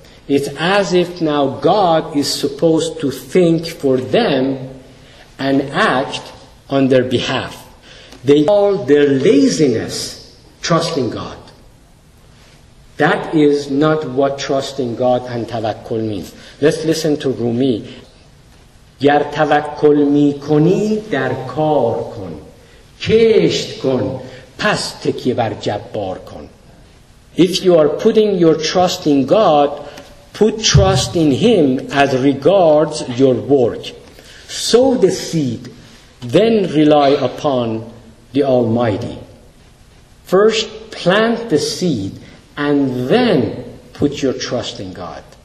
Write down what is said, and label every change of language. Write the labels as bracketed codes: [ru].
[en] It's as if now God is supposed to think for them and act on their behalf. They call their laziness trusting God. That is not what trusting God and tawakkul means. Let's listen to Rumi. [fa] گر توکل می کنی در کار کن کشت کن پس تکیه بر جبار کن. [en] If you are putting your trust in God, put trust in Him as regards your work. Sow the seed, then rely upon the Almighty. First plant the seed and then put your trust in God.